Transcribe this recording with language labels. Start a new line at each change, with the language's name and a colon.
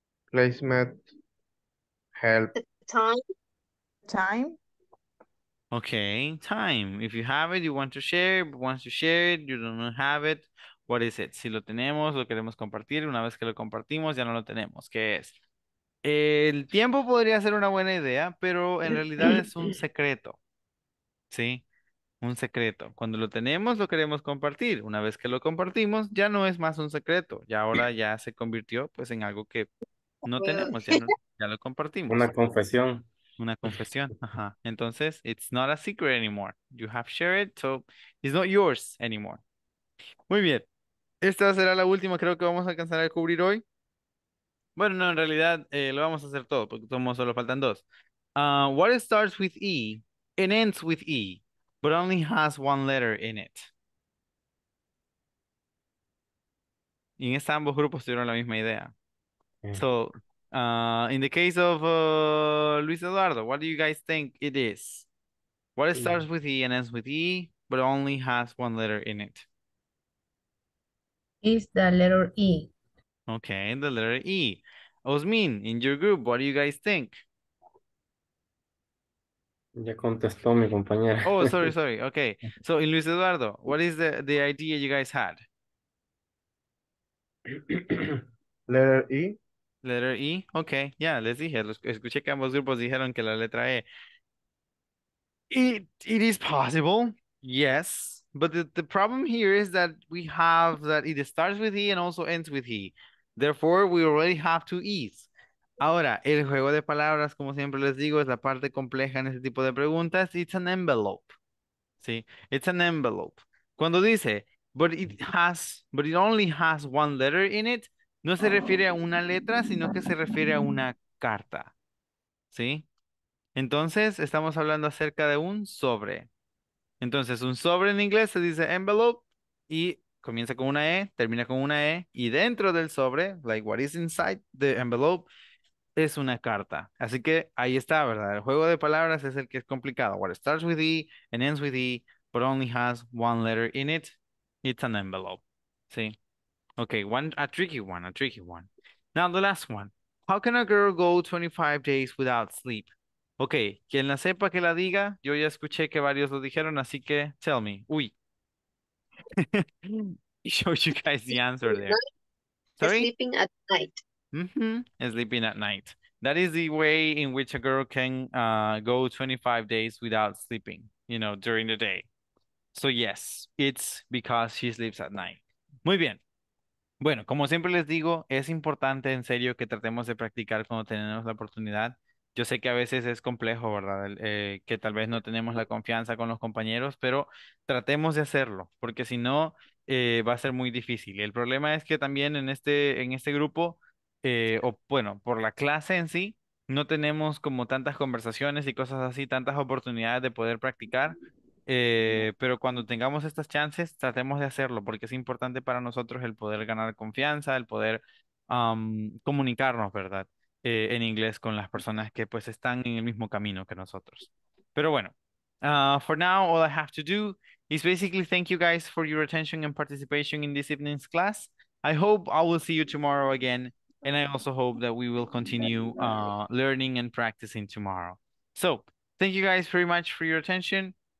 English: Placement, help. Time. Okay, time. If you have it, you want to share it. Once you share it, you don't have it. What is it?
Spanish: Si lo tenemos, lo queremos compartir. Una vez que lo compartimos, ya no lo tenemos. ¿Qué es? El tiempo podría ser una buena idea, pero en realidad es un secreto. ¿Sí? Un secreto. Cuando lo tenemos, lo queremos compartir. Una vez que lo compartimos, ya no es más un secreto. Y ahora ya se convirtió pues en algo que no tenemos. Ya, no, ya lo compartimos. Una confesión. Una confesión. Ajá. Entonces,
English: it's not a secret anymore. You have shared it, so it's not yours anymore.
Spanish: Muy bien. Esta será la última. Creo que vamos a alcanzar a cubrir hoy. Bueno, no, en realidad lo vamos a hacer todo porque solo faltan dos.
English: What starts with E and ends with E, but only has one letter in it?
Spanish: Y en este ambos grupos tuvieron la misma idea.
English: So, in the case of Luis Eduardo, what do you guys think it is? What starts with E and ends with E, but only has one letter in it? Is the letter E. Okay, the letter E. Osmin, in your group, what do you guys think?
Spanish: Ya contestó mi compañera.
English: Oh, sorry, sorry. Okay. So, in Luis Eduardo, what is the idea you guys had? Letter E. Letter E. Okay. Yeah,
Spanish: les dije. Escuché que ambos grupos dijeron que la letra E.
English: It is possible. Yes. But the problem here is that we have that it starts with E and also ends with E. Therefore, we already have two E's.
Spanish: Ahora, el juego de palabras, como siempre les digo, es la parte compleja en este tipo de preguntas.
English: It's an envelope. ¿Sí? It's an envelope.
Spanish: Cuando dice,
English: but it only has one letter in it,
Spanish: no se refiere a una letra, sino que se refiere a una carta. ¿Sí? Entonces, estamos hablando acerca de un sobre. Entonces, un sobre en inglés se dice envelope y comienza con una E, termina con una E, y dentro del sobre,
English: like what is inside the envelope,
Spanish: es una carta. Así que ahí está, ¿verdad? El juego de palabras es el que es complicado.
English: What starts with E and ends with E, but only has one letter in it, it's an envelope.
Spanish: ¿Sí?
English: Okay, a tricky one. Now the last one. How can a girl go 25 days without sleep?
Spanish: Okay, quien la sepa que la diga, yo ya escuché que varios lo dijeron, así que
English: tell me. Uy. Show you guys the answer there. Sorry? Sleeping at night. Sleeping at night. That is the way in which a girl can go 25 days without sleeping, you know, during the day. So yes, it's because she sleeps at night.
Spanish: Muy bien. Bueno, como siempre les digo, es importante en serio que tratemos de practicar cuando tenemos la oportunidad. Yo sé que a veces es complejo, ¿verdad? Que tal vez no tenemos la confianza con los compañeros, pero tratemos de hacerlo, porque si no, va a ser muy difícil. El problema es que también en este grupo, o bueno, por la clase en sí, no tenemos como tantas conversaciones y cosas así, tantas oportunidades de poder practicar, pero cuando tengamos estas chances, tratemos de hacerlo, porque es importante para nosotros el poder ganar confianza, el poder comunicarnos, ¿verdad? En inglés con las personas que pues están en el mismo camino que nosotros. Pero bueno,
English: for now, all I have to do is basically thank you guys for your attention and participation in this evening's class. I hope I will see you tomorrow again, and I also hope that we will continue learning and practicing tomorrow. So, thank you guys very much for your attention.